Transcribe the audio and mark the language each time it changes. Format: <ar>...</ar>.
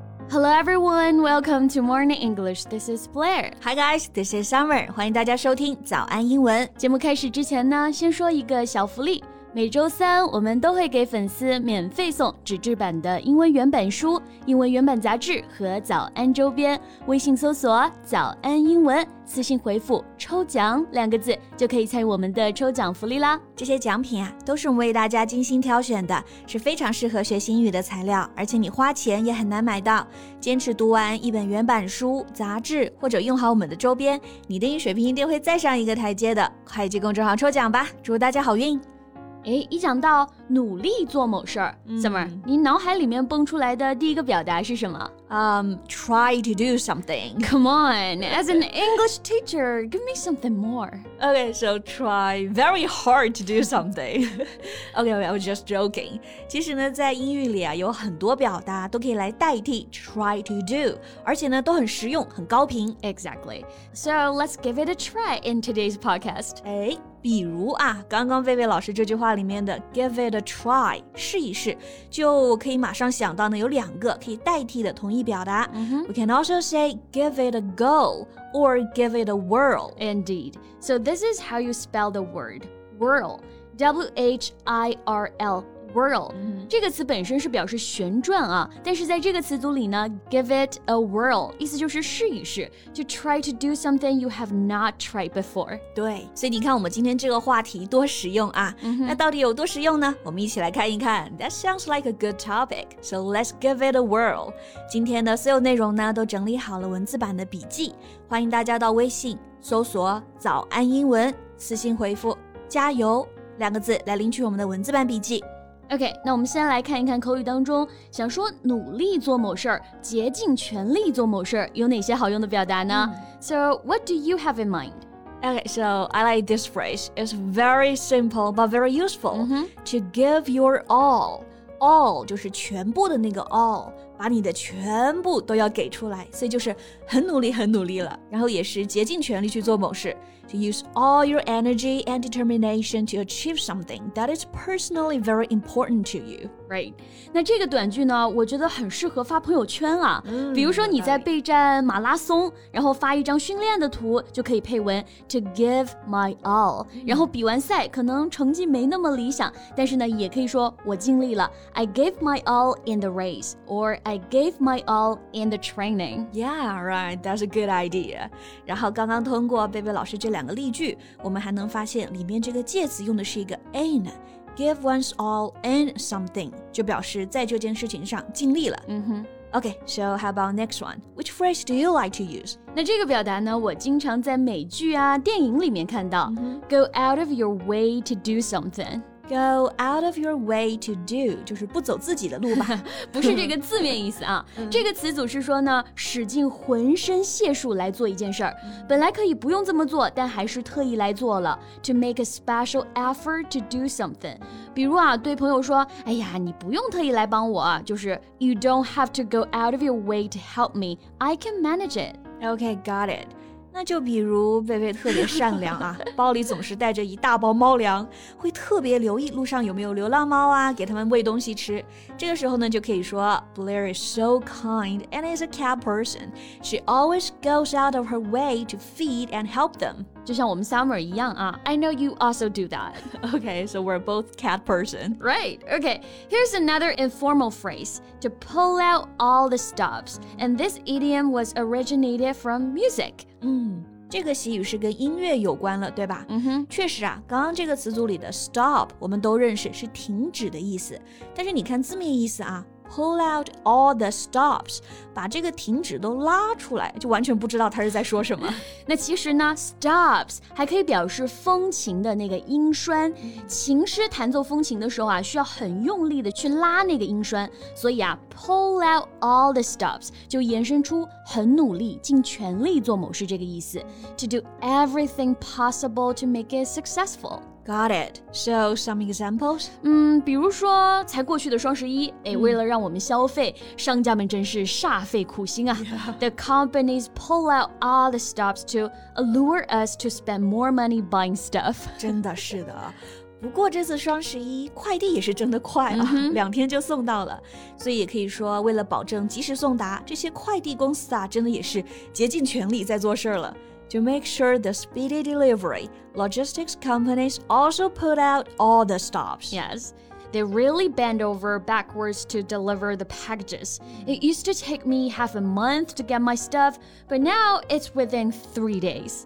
<en>Hello everyone, welcome to Morning English, this is Blair. Hi guys, this is Summer,</en> <zh>欢迎大家收听早安英文。节目开始之前呢，先说一个小福利。每周三我们都会给粉丝免费送纸质版的英文原版书、英文原版杂志和早安周边。微信搜索早安英文，私信回复抽奖两个字，就可以参与我们的抽奖福利啦。这些奖品啊，都是我们为大家精心挑选的，是非常适合学习英语的材料，而且你花钱也很难买到。坚持读完一本原版书、杂志，或者用好我们的周边，你的英语水平一定会再上一个台阶的。快去公众号抽奖吧，祝大家好运。哎，一讲到努力做某事儿，Summer，你脑海里面蹦出来的第一个表达是什么？</zh> <en>Try to do something. Come on, as an English teacher, give me something more. Okay, so try very hard to do something. Okay, I was just joking.</en> <zh>其实呢，在英语里啊，有很多表达都可以来代替 try to do， 而且呢，都很实用，很高频。</zh> <en>Exactly. So let's give it a try in today's podcast.</en> <zh>哎，比如啊，刚刚薇薇老师这句话里面的 give it a try， 试一试，就可以马上想到呢，有两个可以代替的同意表达、 mm-hmm.</zh> <en>We can also say give it a go or give it a whirl. Indeed. So this is how you spell the word whirl. W-H-I-R-L, whirl.、Mm-hmm.</en> <zh>这个词本身是表示旋转啊，但是在这个词组里呢 give it a whirl 意思就是试一试</zh> <en>to try to do something you have not tried before.</en> <zh>对，所以你看我们今天这个话题多实用啊、 mm-hmm. 那到底有多实用呢？我们一起来看一看。</zh> <en>That sounds like a good topic. So let's give it a whirl.</en> <zh>今天的所有内容呢都整理好了文字版的笔记，欢迎大家到微信搜索早安英文，私信回复加油两个字来领取我们的文字版笔记。 OK， 那我们先来看一看口语当中想说努力做某事儿、竭尽全力做某事儿有哪些好用的表达呢、</zh> <en>So what do you have in mind? OK, so I like this phrase. It's very simple but very useful、 mm-hmm. To give your all.</en> <zh>All 就是全部的那个 all， 把你的全部都要给出来，所以就是很努力很努力了，然后也是竭尽全力去做某事。</zh> <en>To use all your energy and determination to achieve something that is personally very important to you. Right.</en> <zh>那这个短句呢，我觉得很适合发朋友圈啊。嗯、比如说你在备战马拉松，然后发一张训练的图，就可以配文</zh> <en>to give my all.、</en> <zh>嗯、然后比完赛，可能成绩没那么理想，但是呢，也可以说我尽力了。</zh> <en>I gave my all in the race, or I gave my all in the training. Yeah, right. That's a good idea.</en> <zh>然后刚刚通过贝贝老师这两个例句，我们还能发现里面这个介词用的是一个 in， give one's all in something， 就表示在这件事情上尽力了。 Mm-hmm.</zh> <en>Okay, so how about next one? Which phrase do you like to use?</en> <zh>那这个表达呢，我经常在美剧啊、电影里面看到。 Mm-hmm.</zh> <en>Go out of your way to do something.</en> <zh>Go out of your way to do 就是不走自己的路吧不是这个字面意思啊这个词组是说呢使尽浑身解数来做一件事儿，本来可以不用这么做但还是特意来做了</zh> <en>To make a special effort to do something</en> <zh>比如啊对朋友说哎呀你不用特意来帮我就是</zh> <en>You don't have to go out of your way to help me I can manage it Okay, got it</en> <zh>那就比如贝贝特别善良啊包里总是带着一大包猫粮会特别留意路上有没有流浪猫啊给他们喂东西吃这个时候呢就可以说</zh> <en>Blair is so kind and is a cat person She always goes out of her way to feed and help them</en> <zh>就像我们</zh> <en>Summer</en> <zh>一样啊</zh> <en>I know you also do that Okay, so we're both cat person Right, okay Here's another informal phrase To pull out all the stops And this idiom was originated from music</en> <zh>嗯，这个习语是跟音乐有关了，对吧？嗯哼，确实啊，刚刚这个词组里的 stop 我们都认识是停止的意思，但是你看字面意思啊Pull out all the stops 把这个停止都拉出来就完全不知道他是在说什么那其实呢 stops 还可以表示风琴的那个音栓琴师弹奏风琴的时候啊需要很用力的去拉那个音栓所以啊 pull out all the stops 就延伸出很努力尽全力做某事这个意思</zh> <en>to do everything possible to make it successful Got it. So, some examples?</en> <zh>比如说才过去的双十一、为了让我们消费商家们真是煞费苦心啊、 yeah.</zh> <en>The companies pull out all the stops to lure us to spend more money buying stuff.</en> <zh>真的是的。不过这次双十一快递也是真的快啊、嗯、两天就送到了。所以也可以说为了保证及时送达，这些快递公司啊真的也是竭尽全力在做事了。</zh> <en>To make sure the speedy delivery, logistics companies also put out all the stops. Yes. They really bend over backwards to deliver the packages. It used to take me half a month to get my stuff, but now it's within 3 days.</en>